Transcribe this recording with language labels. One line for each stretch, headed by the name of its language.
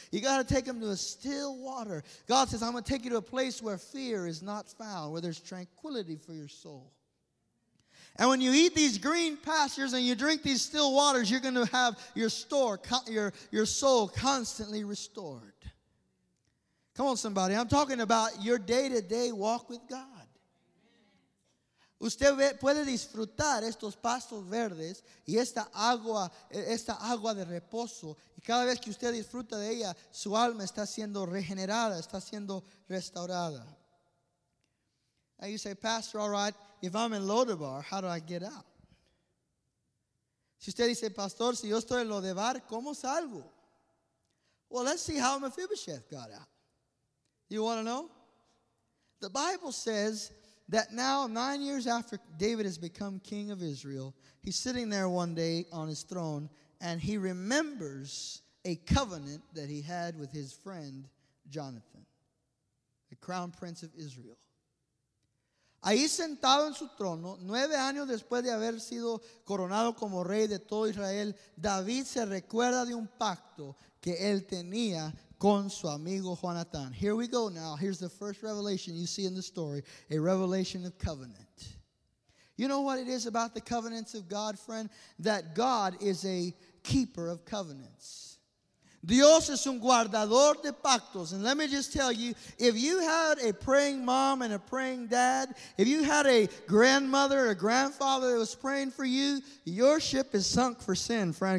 English: You got to take them to a still water. God says, I'm going to take you to a place where fear is not found, where there's tranquility for your soul. And when you eat these green pastures and you drink these still waters, you're going to have your soul constantly restored. Come on, somebody. I'm talking about your day-to-day walk with God.
Spanish: Usted puede disfrutar estos pastos verdes y esta agua de reposo. Y cada vez que usted disfruta de ella, su alma está siendo regenerada, está siendo restaurada.
English: And you say, Pastor, all right, if I'm in Lodebar, how do I get out?
Spanish: Si usted dice, Pastor, si yo estoy en Lodebar, ¿cómo salgo?
English: Well, let's see how Mephibosheth got out. You want to know? The Bible says that now, 9 years after David has become king of Israel, he's sitting there one day on his throne, and he remembers a covenant that he had with his friend Jonathan, the crown prince of Israel.
Spanish: Ahí sentado en su trono, 9 años después de haber sido coronado como rey de todo Israel, David se recuerda de un pacto que él tenía con su amigo Jonathan.
English: Here we go now. Here's the first revelation you see in the story. A revelation of covenant. You know what it is about the covenants of God, friend? That God is a keeper of covenants.
Spanish: Dios es un guardador de pactos.
English: And let me just tell you, if you had a praying mom and a praying dad, if you had a grandmother or a grandfather that was praying for you, your ship is sunk for sin, friend.